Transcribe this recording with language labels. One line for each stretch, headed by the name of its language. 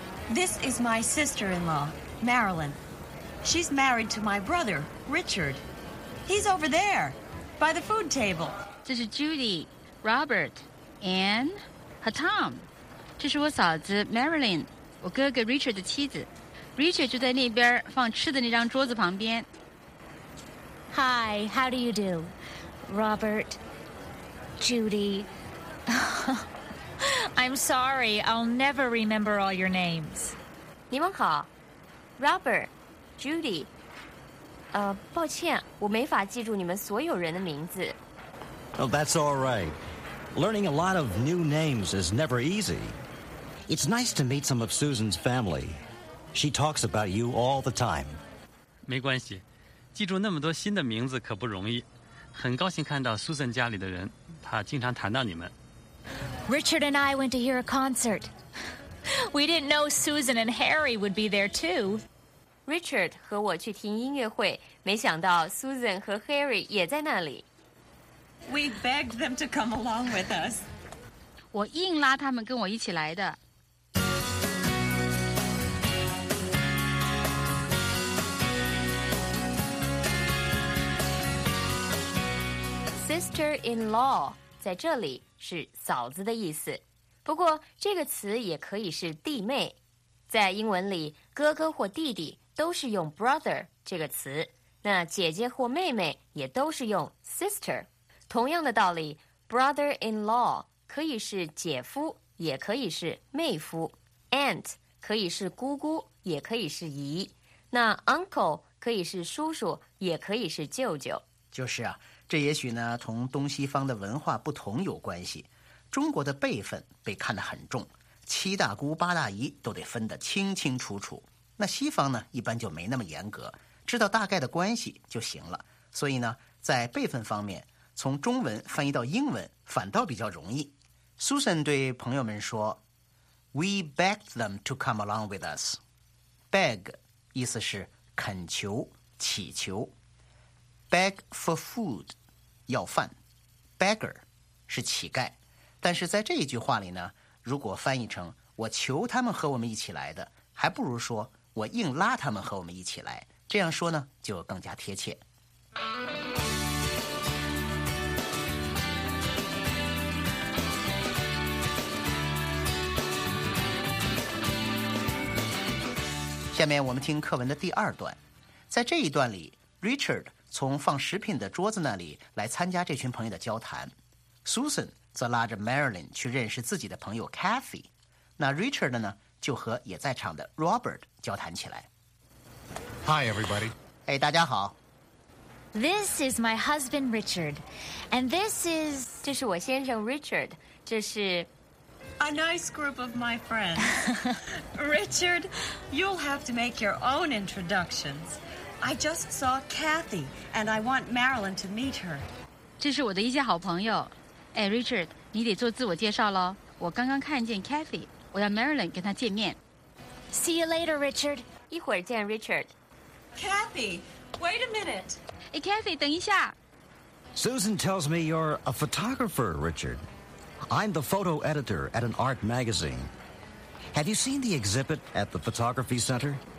English: This is my sister-in-law, Marilyn. She's married to my brother, Richard. He's over there, by the food table.
Chinese: 这是 Judy, Robert, Anne 和 Tom. 这是我嫂子 Marilyn, 我哥哥 Richard 的妻子。 Richard 就在那边放吃的那张桌子旁边。
English: Hi, how do you do? Robert, Judy... I'm sorry, I'll never remember all your names.
Chinese: 你们好 ,Robert, Judy. 抱歉,我没法记住你们所有人的名字。
English: Oh, that's all right. Learning a lot of new names is never easy. It's nice to meet some of Susan's family. She talks about you all the time.
Chinese: 没关系,记住那么多新的名字可不容易。很高兴看到 Susan 家里的人,她经常谈到你们。
English: Richard and I went to hear a concert. We didn't know Susan and Harry would be there too.
Chinese: Richard 和我去听音乐会，没想到 Susan 和 Harry 也在那里。
English: We begged them to come along with us.
Chinese: 我硬拉他们跟我一起来的。 Sister-in-law 在这里。是嫂子的意思，不过这个词也可以是弟妹。在英文里，哥哥或弟弟都是用 brother 这个词，那姐姐或妹妹也都是用 sister。同样的道理 ，brother-in-law 可以是姐夫，也可以是妹夫 ；aunt 可以是姑姑，也可以是姨；那 uncle 可以是叔叔，也可以是舅舅。就是啊。这也许呢，同东西方的文化不同有关系。中国的辈分被看得很重，七大姑八大姨都得分得清清楚楚。那西方呢，一般就没那么严格，知道大概的关系就行了。所以呢，在辈分方面，从中文翻译到英文反倒比较容易。
English: Susan
Chinese: 对朋友们说
English: ：“We begged them to come along with us.
Chinese: Beg 意思是恳求、祈求。”
English: Beg for food, 要饭。
Chinese: Beggar, 是乞丐。但是在这一句话里呢，如果翻译成我求他们和我们一起来的，还不如说我硬拉他们和我们一起来。这样说呢，就更加贴切。下面我们听课文的第二段。在这一段里 ,Richard,从放食品的桌子那里来参加这群朋友的交谈 ，Susan 则拉着 Marilyn 去认识自己的朋友 Kathy。那 Richard 呢，就和也在场的 Robert 交谈起来。
English: Hi everybody.
Chinese: 哎，大家好。
English: This is my husband Richard, and this is
Chinese: 这是我先生 Richard， 这是
English: a nice group of my friends. Richard, you'll have to make your own introductions. I just saw Kathy, and I want Marilyn to meet her.
Chinese: 这是我的一些好朋友。哎 ，Richard， 你得做自我介绍喽。我刚刚看见 Kathy， 我要 Marilyn 跟她见面。
English: See you later, Richard.
Chinese: 一会儿见 ，Richard.
English: Kathy, wait a minute.
Chinese: 哎 ，Kathy， 等一下。
English: Susan tells me you're a photographer, Richard. I'm the photo editor at an art magazine. Have you seen the exhibit at the photography center?